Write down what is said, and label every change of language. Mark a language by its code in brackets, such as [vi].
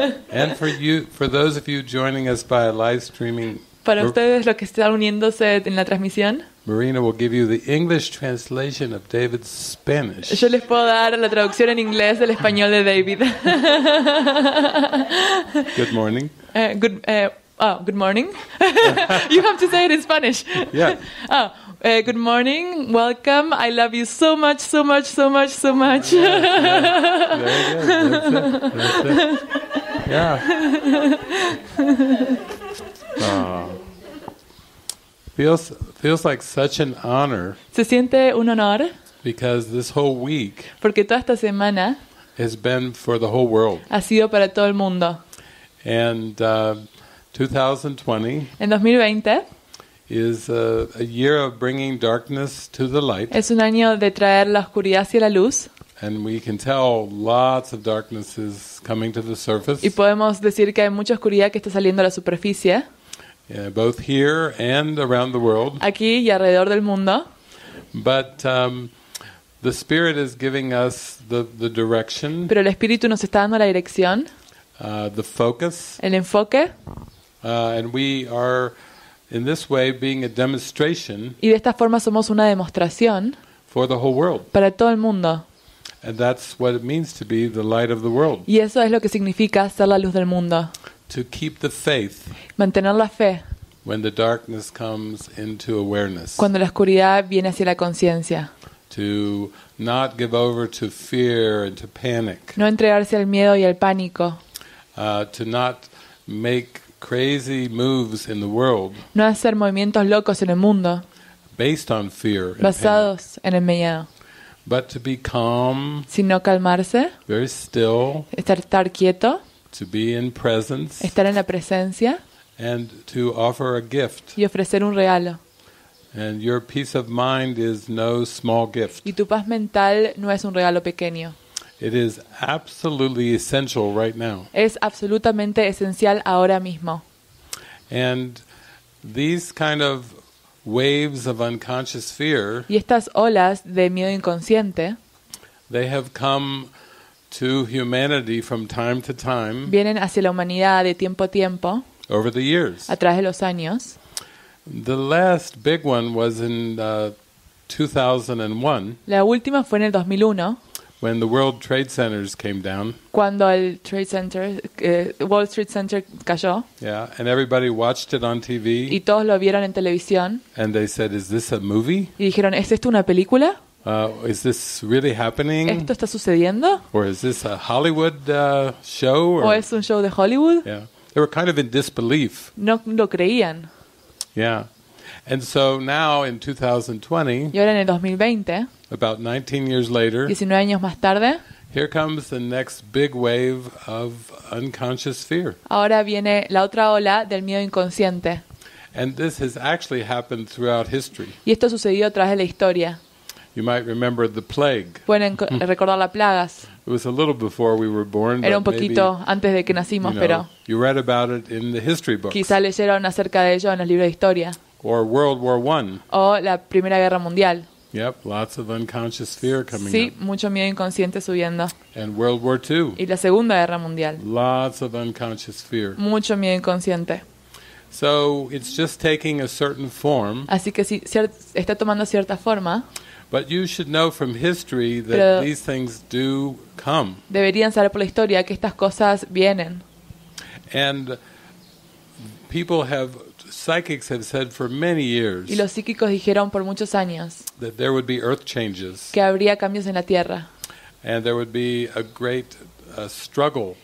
[en] And for you, for those of you joining us by live streaming. [es] Para ustedes los que están uniéndose en la transmisión. [en] Marina will give you the English translation of David's Spanish. [es] Yo les puedo dar la traducción en inglés del español de David. [en] Good morning. Good morning. You have to say it in Spanish. Yeah. Good morning. Welcome. I love you so much, so much, so much, so much. Yeah, yeah. Very good. That's it. Yeah. Feels like such an honor. [es] Se siente un honor. [en] Because this whole week. [es] Porque toda esta semana. [en] Has been for the whole world. [es] Ha sido para todo el mundo. [en] And 2020. [es] En 2020. [en] Is a year of bringing darkness to the light. [es] Es un año de traer la oscuridad hacia la luz. [en] And we can tell lots of darkness is coming to the surface. [es] Y podemos decir que hay mucha oscuridad que está saliendo a la superficie. [en] Yeah, both here and around the world. [es] Aquí y alrededor del mundo. [en] But the Spirit is giving us the direction. [es] Pero el Espíritu nos está dando la dirección. [en] The focus. [es] El enfoque. [en] And we are. In this way, being a demonstration. [es] Y de esta forma somos una demostración. [en] For the whole world. [es] Para todo el mundo. [en] And that's what it means to be the light of the world. [es] Y eso es lo que significa ser la luz del mundo. [en] To keep the faith. [es] Mantener la fe. [en] When the darkness comes into awareness. [es] Cuando la oscuridad viene hacia la conciencia. [en] To not give over to fear and to panic. [es] No entregarse al miedo y al pánico. [en] To not make crazy moves in the world. [es] No hacer movimientos locos en el mundo. [en] Based on fear. [es] Basados en el miedo. [en] But to be calm. [es] Sino calmarse. [en] Very still. [es] Estar quieto. [en] To be in presence. [es] Estar en la presencia. [en] And to offer a gift. [es] Y ofrecer un regalo. [en] And your peace of mind is no small gift. [es] Y tu paz mental no es un regalo pequeño. [en] It is absolutely essential right now. [es] Es absolutamente esencial ahora mismo. [en] And these kind of waves of unconscious fear. [es] Y estas olas de miedo inconsciente. [en] They have come to humanity from time to time. [es] Vienen hacia la humanidad de tiempo a tiempo. [en] Over the years. [es] A través de los años. [en] The last big one was in 2001. [es] La última fue en el 2001. [en] When the World Trade Centers came down. [es] Cuando el Trade Center, Wall Street Center cayó. [en] Yeah, and everybody watched it on TV. [es] Y todos lo vieron en televisión. [en] And they said, "Is this a movie?" [es] Y dijeron, ¿es esto una película? [en] Is this really happening? [es] ¿Esto está sucediendo? [en] Or is this a Hollywood show? [es] ¿O es un show de Hollywood? [en] Yeah, they were kind of in disbelief. [es] No lo creían. [en] Yeah, and so now in 2020. [es] Y ahora en el 2020. [en] About 19 years later. [es] 19 años más tarde. [en] Here comes the next big wave of unconscious fear. [es] Ahora viene la otra ola del miedo inconsciente. [en] And this has actually happened throughout history. [es] Y esto sucedió a través de la historia. [en] You might remember the plague. [es] Pueden recordar las plagas. [en] It was a little before we were born. [es] Era un poquito antes de que nacimos, pero. [en] You read about it in the history books. [es] Quizá leyeron acerca de ello en los libros de historia. [en] Or World War I. [es] O la Primera Guerra Mundial. [en] Yep, lots of unconscious fear coming. [es] Sí, mucho miedo inconsciente subiendo. [en] And World War II. [es] Y la Segunda Guerra Mundial. [en] Lots of unconscious fear. [es] Mucho miedo inconsciente. [en] So it's just taking a certain form. [es] Así que sí, está tomando cierta forma. [en] But you should know from history that these things do come. [es] Deberían saber por la historia que estas cosas vienen. [en] And people have. Psychics have said for many years. [es] Y los psíquicos dijeron por muchos años. [en] That there would be earth changes. [es] Que habría cambios en la tierra. [en] And there would be a great struggle.